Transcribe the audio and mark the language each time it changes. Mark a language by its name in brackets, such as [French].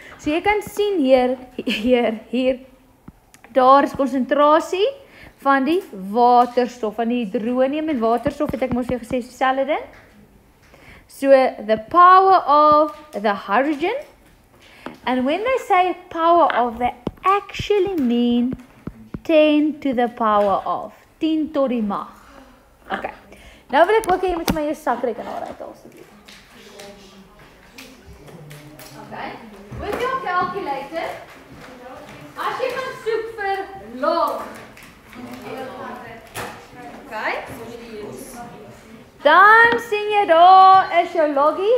[Afrikaans] So jy kan sien hier daar is konsentrasie van die waterstof, van die hydronium en waterstof, het ek mos jou gesê, dieselfde ding. [English] So, the power of the hydrogen. And when they say power of, they actually mean 10 to the power of. [Afrikaans] 10 tot die mag. Okay. Nou wil ek ook hier met my jou sakrekenaar uit alsjeblieft. Okay. [English] With your calculator, [Afrikaans] as jy gaan soek vir log, okay, dan sien jy daar is jou logie.